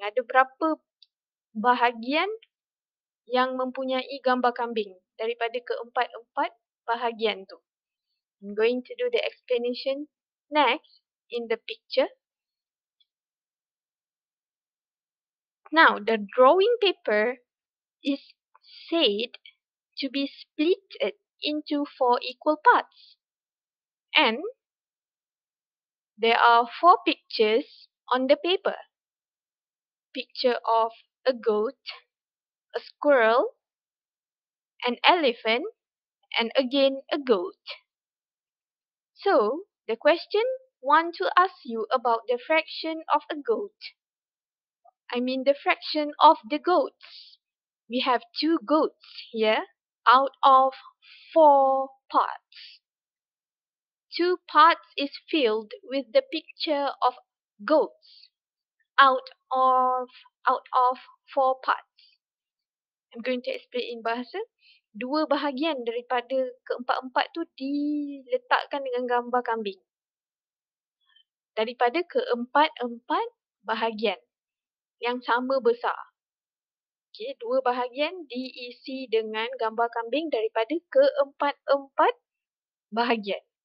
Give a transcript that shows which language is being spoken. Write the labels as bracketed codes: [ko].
[ms] Ada berapa bahagian yang mempunyai gambar kambing daripada keempat-empat bahagian tu? [en] I'm going to do the explanation next in the picture. Now, the drawing paper is said to be split into 4 equal parts. And there are 4 pictures on the paper. Picture of a goat, a squirrel, an elephant, and again a goat. So, the question want to ask you about the fraction of a goat. I mean the fraction of the goats. We have 2 goats here out of 4 parts. 2 parts is filled with the picture of goats out of 4 parts. I'm going to explain in bahasa. [ms] 2 bahagian daripada keempat-empat tu diletakkan dengan gambar kambing. Daripada keempat-empat bahagian yang sama besar. Okey, 2 bahagian diisi dengan gambar kambing daripada keempat-empat bahagian.